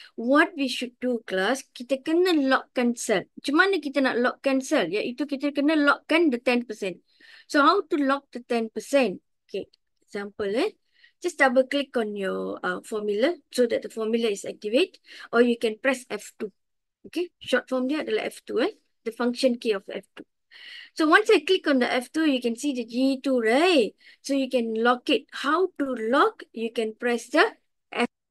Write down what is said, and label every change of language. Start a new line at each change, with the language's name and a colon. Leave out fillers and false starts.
English: What we should do, class,
Malay: kita kena lockkan cell. Macam mana kita nak lockkan cell? Iaitu kita kena lockkan
English: the 10%. So, how to lock the 10%? Okay, example, eh? Just double click on your formula so that the formula is activate. Or you can press F2.
Malay: Okay,
English: short form
Malay: dia adalah F2, eh?
English: The function key of F2. So, once I click on the F2, you can see the G2, right? So, you can lock it. How to lock? You can press the F.